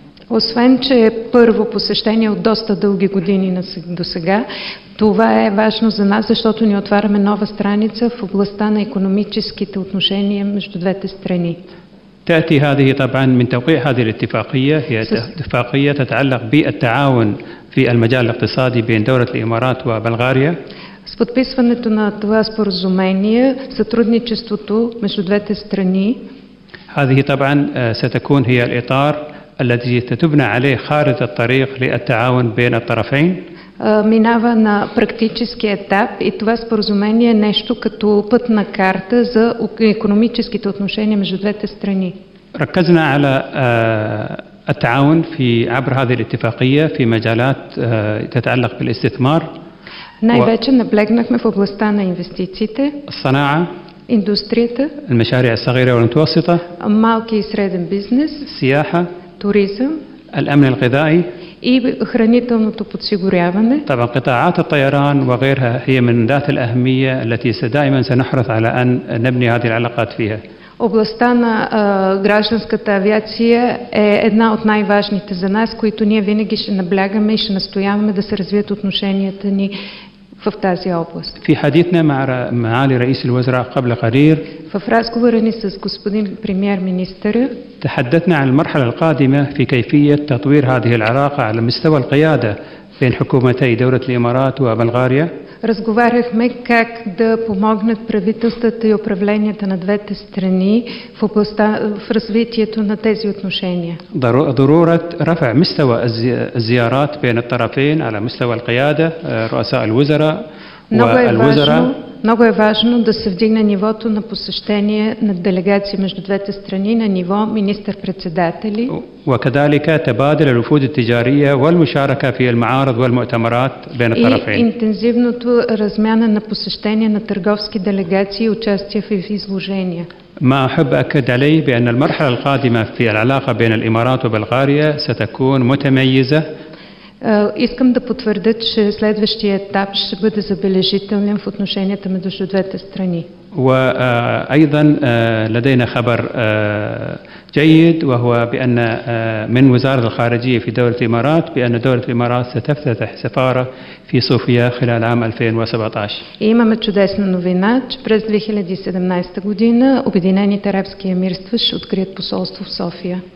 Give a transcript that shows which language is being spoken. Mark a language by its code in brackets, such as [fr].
[bg] Освен че е първо посещение от доста дълги години до сега, това е важно за нас, защото ни отваряме нова страница в областта на икономическите отношения между двете страни. [ar] تأتي هذه طبعا من توقيع هذه الاتفاقية هي اتفاقية تتعلق بالتعاون في المجال الاقتصادي بين دولة الإمارات وبلغاريا. [bg] С подписването на това споразумение, сътрудничеството между двете страни. [ar] هذه طبعا ستكون هي الإطار الذي تتبنى عليه خارطة الطريق للتعاون بين الطرفين. [bg] Минава на практически етап и това споразумение е нещо като пътна карта за икономическите отношения между двете страни. [ar] ركزنا على التعاون في عبر هذه الاتفاقية في مجالات تتعلق بالاستثمار. [bg] Най-вече наблегнахме в областта на инвестициите, [ar] الصناعة, [bg] индустрията, [ar] المشاريع الصغيرة والمتوسطة, [bg] малки и среден бизнес, [ar] سياحة, [bg] туризъм, [ar] الأمن الغذائي [bg] и хранителното подсигуряване. [ar] طبعا قطاعات الطيران وغيرها هي من ذات الأهمية التي دائما سنحرص على أن نبني هذه العلاقات فيها. [bg] Областта на гражданската авиация е една от най-важните за нас, които ние винаги ще наблягаме и ще настояваме да се развият отношенията ни в тази област. [ar] في حديثنا مع معالي رئيس الوزراء قبل قليل. [bg] В разговора ни с господин премьер-министър. [ar] تحدثنا عن المرحلة القادمة في كيفية تطوير هذه العلاقة على مستوى القيادة بين حكومتي دولة الإمارات وبلغاريا. [bg] Разговаряхме как да помогнат правителствата и управленията на двете страни в областта, в развитието на тези отношения. [ar] ضرورة رفع مستوى الزيارات بين الطرفين على مستوى القيادة رؤساء الوزراء والوزراء. [bg] Много е важно да се вдигне нивото на посещение на делегации между двете страни на ниво министър-председатели. [ar] وكذلك تبادل الوفود التجارية والمشاركة في المعارض والمؤتمرات بين الطرفين. [bg] И интензивното размяна на посещение на търговски делегации и участие в изложения. [ar] ما أحب أكد عليه بأن المرحلة القادمة في العلاقة بين الإمارات وبلغاريا ستكون متميزة. [bg] Искам да потвърда, че следващия етап ще бъде забележителен в отношенията между двете страни. [ar] وأيضا لدينا خبر جيد وهو بأن من وزارة الخارجية في دولة الإمارات بأن دولة الإمارات ستفتتح سفارة في صوفيا خلال عام 2017. [bg] Имаме чудесна новина, че през 2017 година Обединените арабски емирства ще открият посолство в София.